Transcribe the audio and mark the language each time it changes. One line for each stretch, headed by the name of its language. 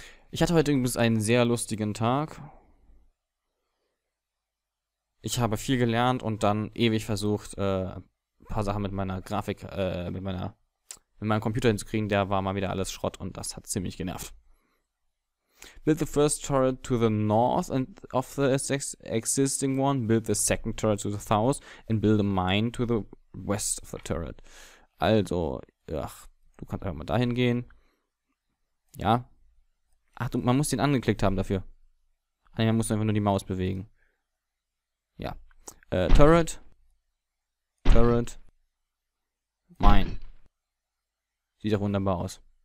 German: Ich hatte heute übrigens einen sehr lustigen Tag. Ich habe viel gelernt und dann ewig versucht, ein paar Sachen mit meiner Grafik, mit meinem Computer hinzukriegen. Der war mal wieder alles Schrott und das hat ziemlich genervt.
English: Build the first turret to the north and of the existing one. Build the second turret to the south and build a mine to the west of the turret.
German: Also, ach, du kannst einfach mal dahin gehen. Ja. Achtung, man muss den angeklickt haben dafür. Nein, man muss einfach nur die Maus bewegen. Ja. Turret. Turret. Mine. Sieht auch wunderbar aus.